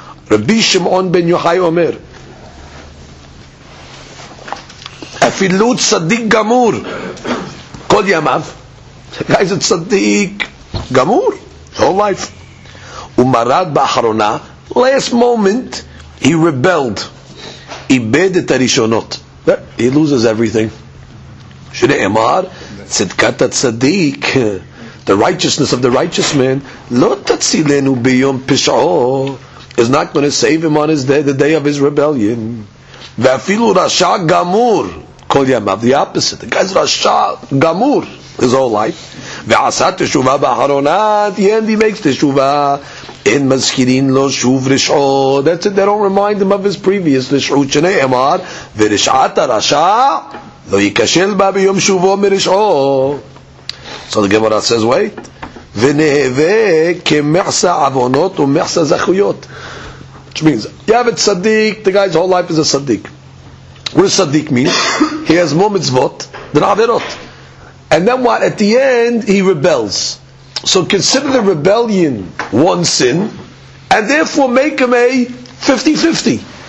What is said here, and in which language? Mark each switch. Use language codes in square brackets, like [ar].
[he] רבי שמעון בן יוחאי אומר, אפילו צדיק גמור, כל ימיו, איזה צדיק גמור, [en] whole life. [he] ומרד באחרונה, [en] last moment, he rebelled. [he] איבד את הראשונות. [en] He loses everything. [he] שנאמר, צדקת הצדיק, [en] the righteousness of the righteous man, [he] לא תצילנו ביום פשעו, [en] is not going to save him on his day, the day of his rebellion. [he] ואפילו רשע גמור, כל ימיו, [en] the opposite. The guy's [he] רשע גמור, [en] his whole life. [he] ועשה תשובה באחרונה, [en] at the end he makes תשובה. [he] אין מזכירין לו שוב רשעו. [en] That's it, they don't remind him of his previous רשעות [he] שנאמר, ורשעת הרשע לא ייקשל בה ביום שובו מרשעו. [en] So the Gemara says, wait. [he] ונהווה כמחסה עוונות ומחסה זכויות. [en] Which means, you have a tzaddik, the guy's whole life is a tzaddik. What does tzaddik mean? He has more mitzvot than averot. And then what? At the end, he rebels. So consider the rebellion one sin, and therefore make him a 50-50.